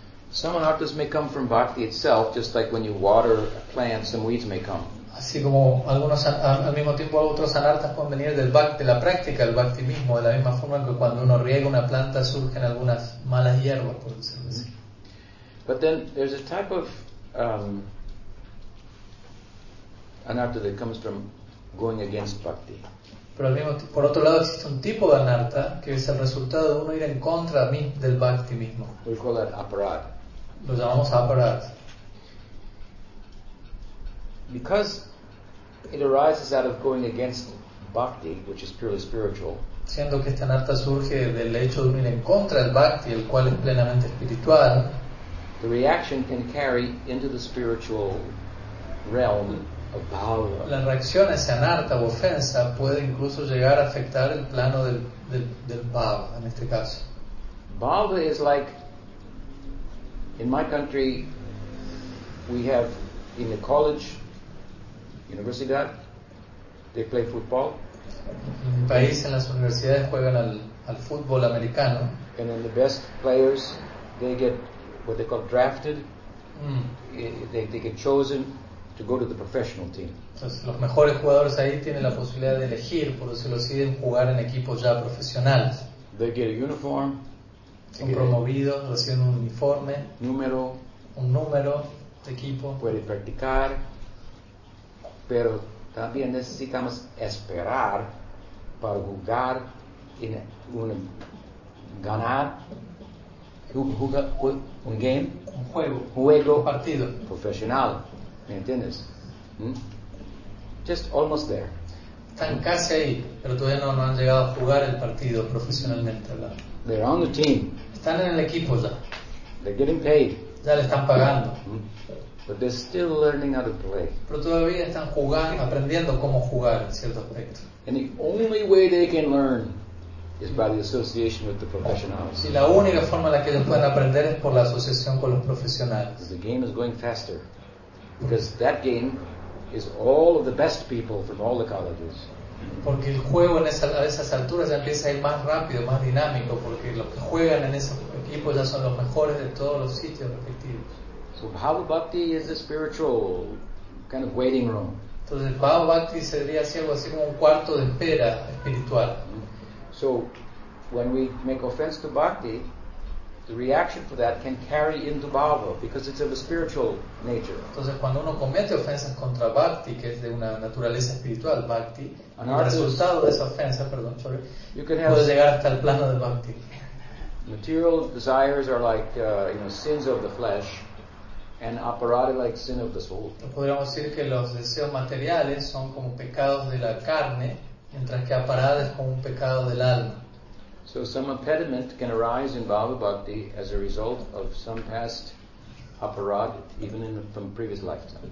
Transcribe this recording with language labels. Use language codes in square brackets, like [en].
[en] Some anarthas may come from bhakti itself, just like when you water a plant, some weeds may come. [es] Así como algunos, al mismo tiempo otros anarthas pueden venir del bhakti, de la práctica del bhakti mismo, de la misma forma que cuando uno riega una planta surgen algunas malas hierbas, por decirlo así. [en] But then there's a type of anartha that comes from going against bhakti. [es] Pero al mismo, por otro lado existe un tipo de anartha que es el resultado de uno ir en contra del bhakti mismo. [en] We call that aparad. [es] Lo llamamos aparad. [en] Because it arises out of going against bhakti, which is purely spiritual. [es] Siendo que esta anartha surge del hecho de ir en contra del bhakti, el cual es plenamente espiritual. [en] The reaction can carry into the spiritual realm of bhava. [es] La reacción a esa anartha o ofensa puede incluso llegar a afectar el plano del bhava, en este caso. [en] Bhava is like, in my country, we have in the college. [es] Universidad, [en] they play football. [es] En mi país, en las universidades juegan al fútbol americano. [en] And then the best players, they get what they call drafted. Mm. They get chosen to go to the professional team. [es] Entonces, los mejores jugadores ahí tienen la posibilidad de elegir, por eso lo siguen jugar en equipos ya profesionales. [en] They get a uniform. [es] Son promovidos, reciben un uniforme. Número. Un número de equipo. Pueden practicar. Pero también necesitamos esperar para jugar en un juego un partido profesional, ¿me entiendes? [en] Just almost there. [es] Están casi ahí, pero todavía no han llegado a jugar el partido profesionalmente hablando. [en] They're on the team. [es] Están en el equipo ya. [en] They're getting paid. [es] Ya le están pagando. [en] But they're still learning how to play. [es] Pero todavía están jugando, aprendiendo cómo jugar en cierto aspecto. [en] And the only way they can learn is by the association with the professionals. [es] Y la única forma en la que ellos pueden aprender es por la asociación con los profesionales. [en] Because the game is going faster. Because that game is all of the best people from all the colleges. [es] Porque el juego en esas alturas ya empieza a ir más rápido, más dinámico, porque los que juegan en esos equipos ya son los mejores de todos los sitios respectivos. [en] So Bhava Bhakti is a spiritual kind of waiting room. [es] Entonces Bhava Bhakti sería así, algo así como un cuarto de espera espiritual. [en] So when we make offense to Bhakti, the reaction for that can carry into Bhava because it's of a spiritual nature. [es] Entonces cuando uno comete ofensas contra Bhakti, que es de una naturaleza espiritual, Bhakti, el resultado de esa ofensa, perdón, sorry, [en] you can have [es] puede llegar hasta el plano de Bhakti. [en] Material desires are like sins of the flesh. an aparadic sin of the soul. [es] Podríamos decir que los deseos materiales son como pecados de la carne, mientras que aparada es como un pecado del alma. [en] So some impediment can arise in Bhava Bhakti as a result of some past aparad, even in from previous lifetime.